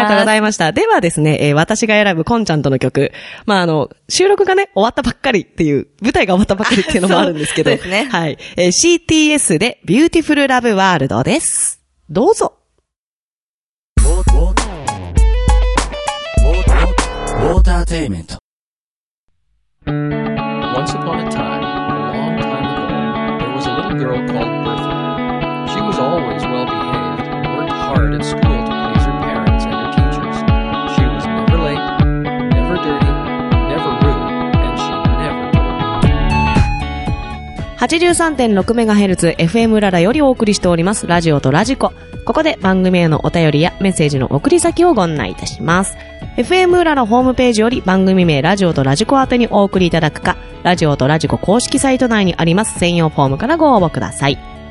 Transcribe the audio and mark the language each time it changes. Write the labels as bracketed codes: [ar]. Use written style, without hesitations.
[ja] ありがとうございました。ではですね、私が選ぶこんちゃんとの曲、まあ収録がね終わったばっかりっていう、舞台が終わったばっかりっていうのもあるんですけど、そうですね、はい、CTS でビューティフルラブワールドです。どうぞ。ウォーターテイメント。 [en] Once upon a time, a long time ago, there was a little girl called Bertha. She was always well behaved and worked hard at school to please her parents and her teachers. She was never late, never dirty, never rude, and she never bored. [ja] 83.6 メガヘルツ FM ララよりお送りしておりますラジオとラジコ。ここで番組へのお便りやメッセージの送り先をご案内いたします。 FM ウララホームページより番組名ラジオとラジコ宛にお送りいただくか、ラジオとラジコ公式サイト内にあります専用フォームからご応募ください。